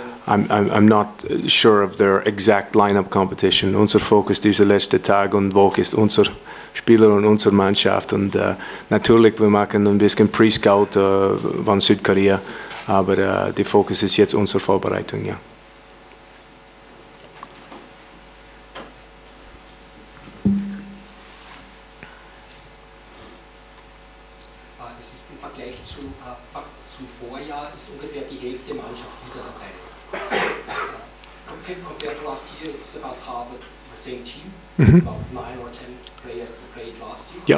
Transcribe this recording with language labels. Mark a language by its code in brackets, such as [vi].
[en] I'm not sure of their exact lineup competition. [de] Unser Fokus diese letzte Tag und Woche ist unser Spieler und unsere Mannschaft. Und natürlich, wir machen ein bisschen Pre-Scout von Südkorea, aber der Fokus ist jetzt unsere Vorbereitung, ja. Es ist im Vergleich zum Vorjahr ist ungefähr die Hälfte der Mannschaft wieder dabei. [en] Compared to last year, it's about half the same team, about 9 or 10 players that played last year.